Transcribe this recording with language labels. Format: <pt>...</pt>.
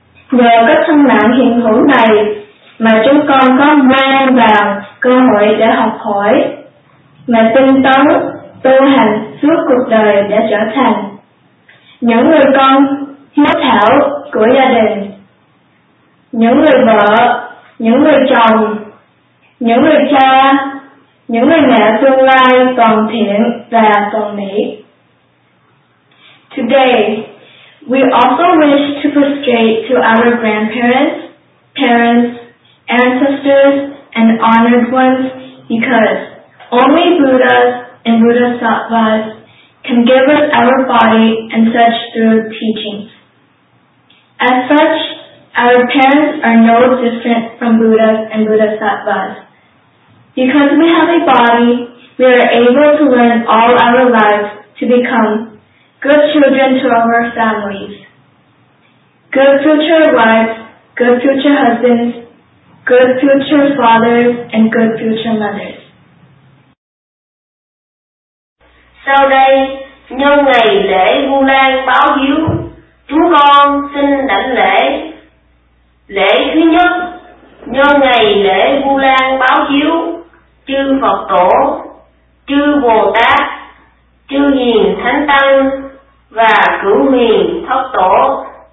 <vi>Nhờ có thân mạng hiện hữu này mà chúng con có mang vào cơ hội để học hỏi, mà tinh tấn tu hành suốt cuộc đời đã trở thành những người con hiếu thảo của gia đình, những người vợ, những người chồng, những người cha, những người mẹ tương lai toàn thiện và toàn mỹ.</vi> <en>Today, we also wish to prostrate to our grandparents, parents, ancestors, and honored ones because only Buddhas and Bodhisattvas can give us our body and such through teachings. As such, our parents are no different from Buddhas and Bodhisattvas. Because we have a body, we are able to learn all our lives to become good children to our families, good future wives, good future husbands, good future fathers, and good future mothers.</en> <vi>Sau đây, nhân ngày lễ Vu Lan báo hiếu, chúng con xin đảnh lễ. Lễ thứ nhất, nhân ngày lễ Vu Lan báo hiếu, chư Phật Tổ, chư Bồ Tát, chư Hiền Thánh Tăng và Cửu Huyền Thất Tổ.</vi>